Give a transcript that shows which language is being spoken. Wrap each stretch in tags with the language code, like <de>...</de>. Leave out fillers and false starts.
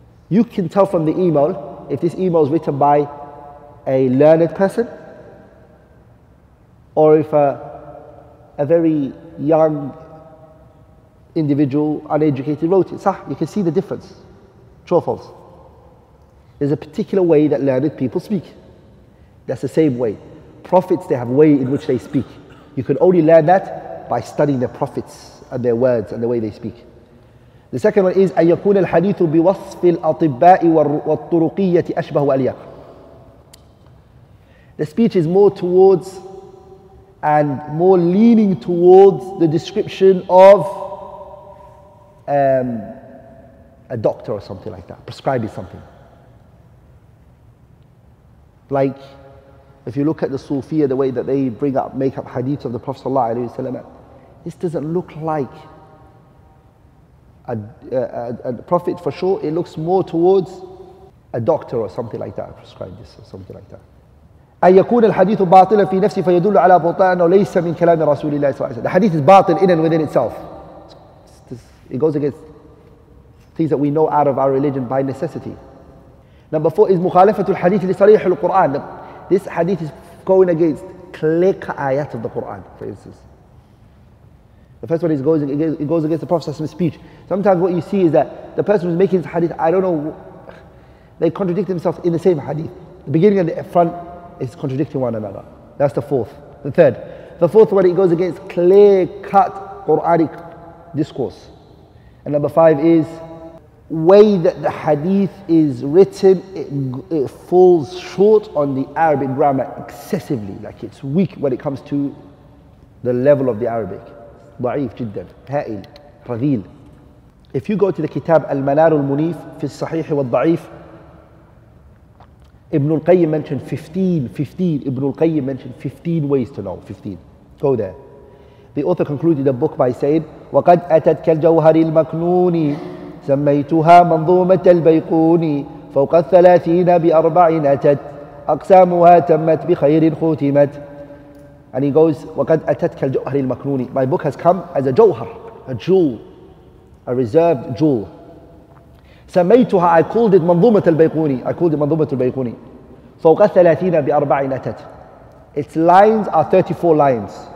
<en>You can tell from the email if this email is written by a learned person or if a very young individual, uneducated, wrote it. Sah, you can see the difference. True or false? There's a particular way that learned people speak. That's the same way. Prophets, they have a way in which they speak. You can only learn that by studying the prophets and their words and the way they speak. The second one is</en> <ar>أن يكون الحديث بوصف الأطباء والطرقية أشبه وأليق.</ar> <en>The speech is more towards and more leaning towards the description of a doctor or something like that, prescribing something. Like if you look at the Sufiyyah, the way that they bring up, make up hadith of the Prophet ﷺ, this doesn't look like a prophet for sure. It looks more towards a doctor or something like that. I prescribe this or something like that.</en> <ar>أن يكون الحديث باطلا في نفسي فيدل على بطلان وليس من كلام رسول الله صلى الله عليه وسلم.</ar> <en>The hadith is</en> <ar>باطل</ar> <en>in and within itself. It goes against things that we know out of our religion by necessity. Number four is</en> <ar>مخالفة الحديث لصريح القرآن.</ar> <en>This hadith is going against clear ayat of the Quran, for instance. The first one is it goes against the Prophet's speech. Sometimes what you see is that the person who's making this hadith, I don't know, they contradict themselves in the same hadith. The beginning and the front is contradicting one another. That's the fourth. The third. The fourth one, it goes against clear-cut Quranic discourse. And number five is way that the hadith is written, it falls short on the Arabic grammar excessively. Like it's weak when it comes to the level of the Arabic.</en> <ar>ضعيف جدا هائل رذيل.</ar> <en>If you go to the kitab المنار المنيف في الصحيح والضعيف, Ibn al-Qayyim mentioned 15. Ibn al-Qayyim mentioned 15 ways to know. 15. Go there. The author concluded the book by saying,</en> <ar>وَقَدْ أَتَتْكَ الْجَوْهَرِ الْمَكْنُونِ سَمَّيْتُهَا مَنْظُومَةَ الْبَيْقُونِ فَوْقَ الثَّلَاثِينَ بِأَرْبَعٍ أَتَتْ أَقْسَامُهَا تَمَّتْ بِخَيْرٍ خُوتِمَتْ.</ar> <en>And he goes,</en> <ar>وَقَدْ أَتَتْكَ الْجَوْهَرِ الْمَكْنُونِ</ar> <en>My book has come as a jawhar, a jewel, a reserved jewel.</en> <ar>سَمَّيْتُهَا</ar> <en>I called it مَنْظُومَةَ الْبَيْقُونِ I called it مَنْظُومَةَ الْبَيْقُونِ</en> <ar>فَوْقَ الثَّلَاثِينَ بِأَرْبَعٍ أَتَتْ</ar> <en>Its lines are 34 lines.</en>